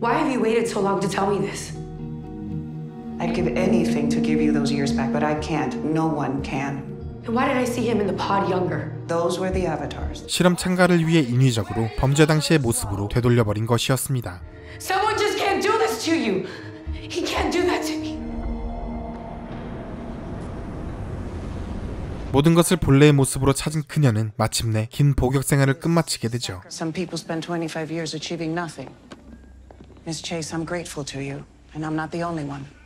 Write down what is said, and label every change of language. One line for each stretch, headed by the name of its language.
English: Why have you waited so long to tell me this? I'd give anything to give you those years back, but I can't. No one can. And why did I see him in the pod younger? Those were the avatars.
Korean: 실험 참가를 위해 인위적으로 범죄 당시의 모습으로 되돌려버린 것이었습니다.
English: Someone just can't do this to you. He can't do that to me.
Korean: 모든 것을 본래의 모습으로 찾은 그녀는 마침내 긴 복역 생활을 끝마치게 되죠.
English: Some people spend 25 years achieving nothing. Miss Chase, I'm grateful to you, and I'm not the only one.